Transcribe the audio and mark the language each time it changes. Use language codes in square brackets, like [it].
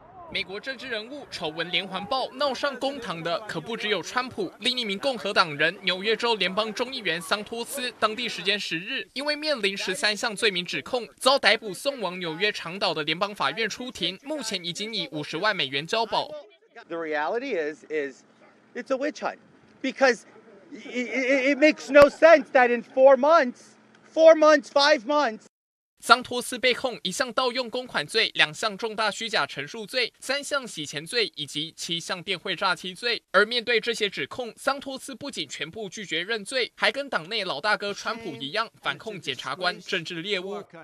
[zh] 美国政治人物丑闻连环爆，闹上公堂的可不只有川普，另一名共和党人纽约州联邦众议员桑托斯，当地时间十日因为面临13项罪名指控遭逮捕，送往纽约长岛的联邦法院出庭，目前已经以$500,000交保。 [en] The reality is. It's a witch hunt because it makes no sense that in five months. [zh] 桑托斯被控一项盗用公款罪、2项重大虚假陈述罪、3项洗钱罪以及7项电汇诈欺罪。而面对这些指控，桑托斯不仅全部拒绝认罪，还跟党内老大哥川普一样，反控检察官政治猎物。